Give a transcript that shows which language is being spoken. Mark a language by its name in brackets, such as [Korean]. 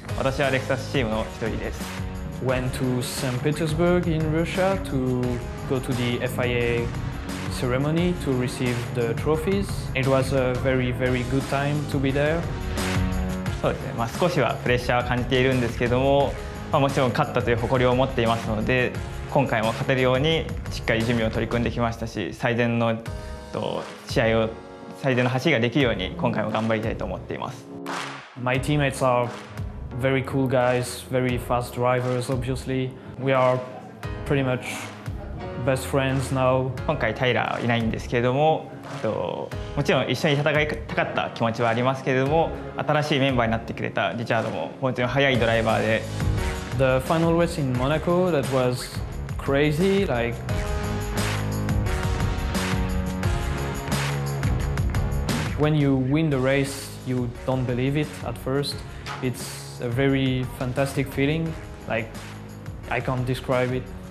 [Japanese] 私はレクサスチームの一人です。 [English] Went to St. Petersburg in Russia to go to the FIA ceremony to receive the trophies. It was a very, very good time to be there. [Japanese] そうですね。まあ少しはプレッシャーは感じているんですけども、まあもちろん勝ったという誇りを持っていますので、今回も勝てるようにしっかり準備を取り組んできましたし、最善の試合を最善の走りができるように今回も頑張りたいと思っています。 [English] My teammates are very cool guys, very fast drivers, obviously. We are pretty much best friends now. [Japanese] 今回タイラーいないんですけれども、もちろん一緒に戦いたかった気持ちはありますけれども、新しいメンバーになってくれたリチャードも本当に速いドライバーで。 [English] The final race in Monaco that was crazy, like when you win the race, you don't believe it at first. It's a very fantastic feeling, like I can't describe it.